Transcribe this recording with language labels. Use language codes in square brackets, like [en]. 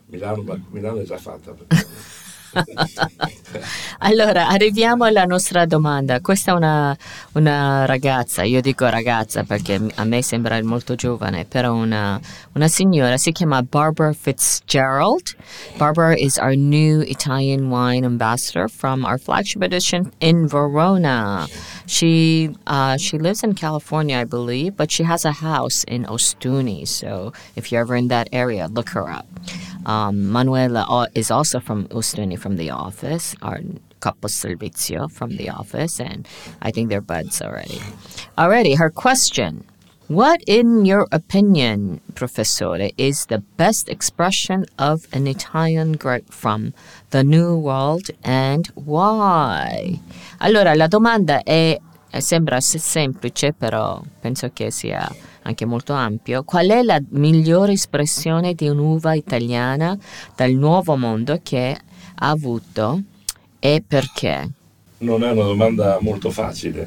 [it] Milano è già fatta. Allora, arriviamo alla nostra domanda. Questa è una ragazza, io dico ragazza perché a me sembra molto giovane, però una signora, si chiama Barbara Fitzgerald. [en] Barbara is our new Italian wine ambassador from our flagship edition in Verona. She lives in California, I believe, but she has a house in Ostuni, so if you're ever in that area, look her up. Manuela is also from Ostuni, from the office, our capo servizio from the office, and I think they're buds already. Alrighty, her question. What, in your opinion, professore, is the best expression of an Italian grape from the New World, and why? [it] Allora, la domanda sembra semplice, però penso che sia anche molto ampio. Qual è la migliore espressione di un'uva italiana dal Nuovo Mondo che ha avuto e perché? Non è una domanda molto facile.